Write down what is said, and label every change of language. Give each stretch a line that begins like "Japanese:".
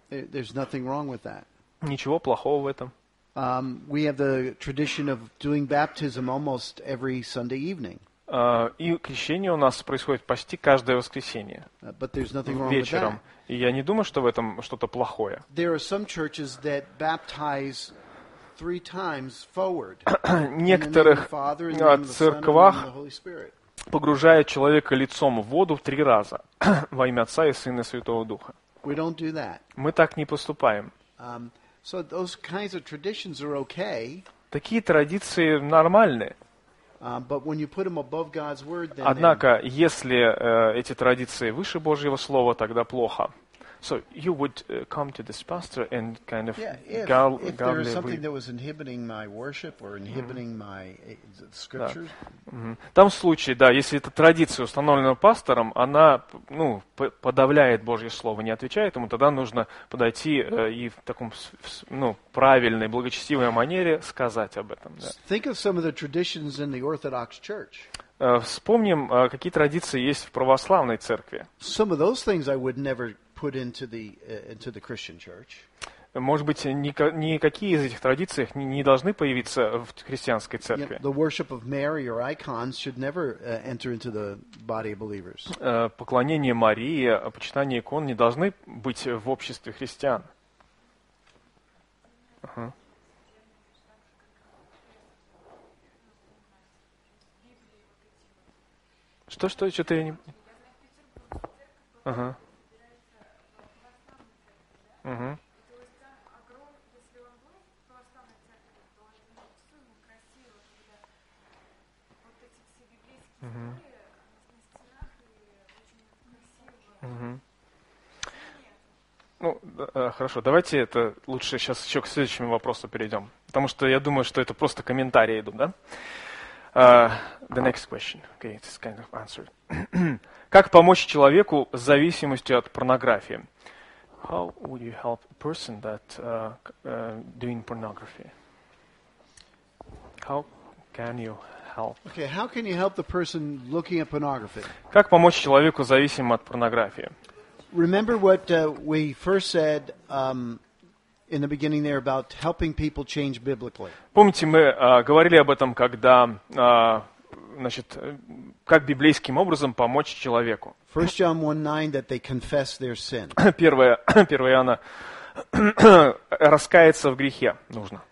English: There's nothing wrong with that.
Russian: Ничего плохого в этом.
English: We have the tradition of doing baptism almost every Sunday evening.
Russian: И крещение у нас происходит почти каждое воскресенье вечером. И я не думаю, что в этом что-то плохое.
English: There are some churches that baptize three times forward.
Russian: Некоторых церквах погружают человека лицом в воду три раза во имя Отца и Сына и Святого Духа.
English: We don't do that.
Russian: Мы так не поступаем.
English: So those kinds of traditions are okay.
Russian: Такие традиции нормальны.
English: But when you put them above God's word, then.
Russian: Однако, если эти традиции выше Божьего слова, тогда плохо.
English: So you would come to this pastor and kind of if there was something that was inhibiting my worship or inhibiting my scriptures.
Russian: Да. Там случае, да, если эта традиция установлена пастором, она, ну, подавляет Божье слово, не отвечает ему, тогда нужно подойти и в таком, ну, правильной, благочестивой манере сказать об этом. Да.
English: Think of some of the traditions in the Orthodox Church.
Russian: Вспомним, какие традиции есть в православной церкви.
English: Some of those things I would never put into the Christian church.
Russian: Может быть, никакие из этих традиций не должны появиться в христианской церкви.
English: You know, the worship of Mary or icons should never enter into the body of believers.
Russian: Поклонение Марии, почитание икон не должны быть в обществе христиан. Что-то я не... Ну, хорошо, давайте это лучше сейчас еще к следующему вопросу перейдем. Потому что я думаю, что это просто комментарии идут, да?
English: The next question. Okay, it's kind of answered.
Russian: Как помочь человеку с зависимостью от порнографии?
English: How would you help a person that doing pornography? How can you help? Okay, how can you help the person looking at pornography?
Russian: Как помочь человеку, зависимому от порнографии?
English: Remember what we first said in the beginning there about helping people change biblically.
Russian: Помните, мы говорили об этом, когда значит, как библейским образом помочь человеку.
English: 1 John 1:9 that they confess their sin.
Russian: Первое Иоанна раскаяться в грехе нужно.